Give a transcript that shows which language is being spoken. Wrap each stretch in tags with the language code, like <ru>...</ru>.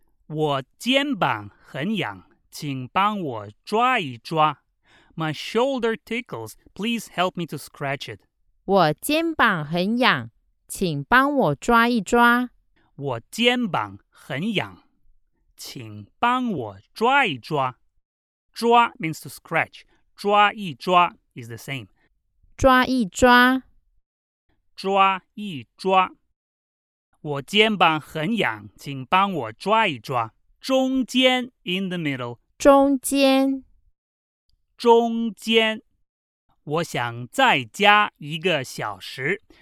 <zh>我肩膀很痒请帮我抓一抓</zh> <en>My shoulder tickles Please help me to scratch it</en> <zh>我肩膀很痒请帮我抓一抓我肩膀很痒请帮我抓一抓</zh> <en>抓 means to scratch 抓一抓 is the same</en> <zh>抓一抓抓一抓我肩膀很痒请帮我抓一抓中间</zh> <en>in the middle</en> <zh>中间中间我想再加一个小时</zh>